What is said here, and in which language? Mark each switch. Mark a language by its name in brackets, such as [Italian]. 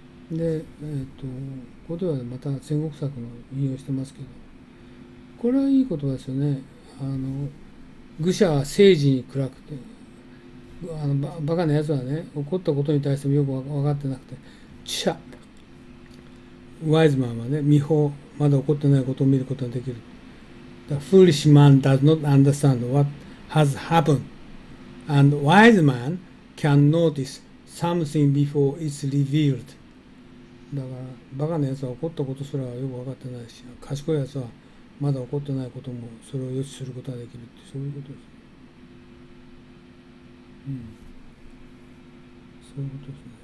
[Japanese] で、ここではまた戦国策の引用してますけど、これはいい言葉ですよね。愚者は政治に暗くて、バカなやつはね、怒ったことに対してもよく分かってなくて、知者ワイズマンはね、見法、まだ怒ってないことを見ることができる。 [English] The foolish man does not understand what has happened, and wise man can notice something before it's revealed. [Japanese] だから、バカなやつは怒ったことすらよく分かってないし、賢いやつはまだ起こってないこともそれを予知することができるって、そういうことです、うん、そういうことですね。